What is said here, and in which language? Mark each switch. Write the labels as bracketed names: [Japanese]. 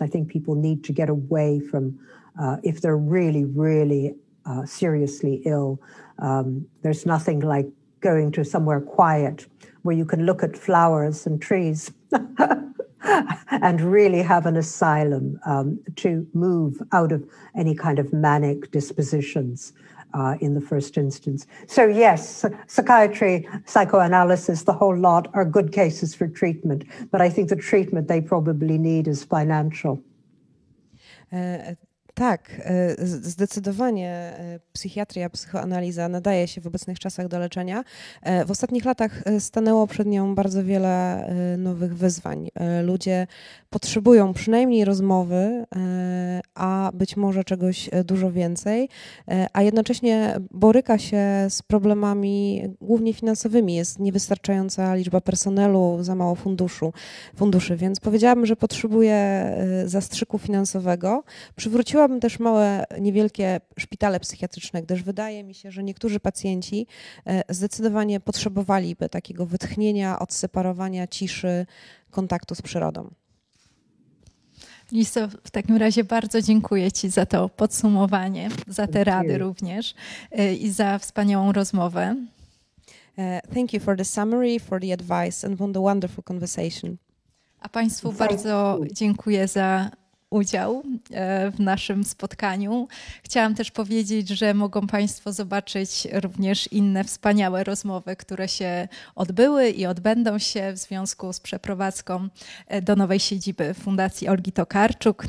[English] I think people need to get away from, if they're really, really seriously ill, there's nothing like going to somewhere quiet where you can look at flowers and trees and really have an asylum to move out of any kind of manic dispositions in the first instance. So yes, psychiatry, psychoanalysis, the whole lot are good cases for treatment, but I think the treatment they probably need is financial. [Polish] Tak, zdecydowanie psychiatria, psychoanaliza nadaje się w obecnych czasach do leczenia. W ostatnich latach stanęło przed nią bardzo wiele nowych wyzwań. Ludzie potrzebują przynajmniej rozmowy, a być może czegoś dużo więcej, a jednocześnie boryka się z problemami głównie finansowymi. Jest niewystarczająca liczba personelu, za mało funduszy, więc powiedziałabym, że potrzebuje zastrzyku finansowego. Przywróciłabym też małe, niewielkie szpitale psychiatryczne, gdyż wydaje mi się, że niektórzy pacjenci zdecydowanie potrzebowaliby takiego wytchnienia, odseparowania, ciszy, kontaktu z przyrodą. Lisa, w takim razie bardzo dziękuję Ci za to podsumowanie, za te rady również i za wspaniałą rozmowę. [English] Thank you for the summary, for the advice and for the wonderful conversation. [Polish] A Państwu bardzo dziękuję za udział w naszym spotkaniu. Chciałam też powiedzieć, że mogą Państwo zobaczyć również inne wspaniałe rozmowy, które się odbyły i odbędą się w związku z przeprowadzką do nowej siedziby Fundacji Olgi Tokarczuk.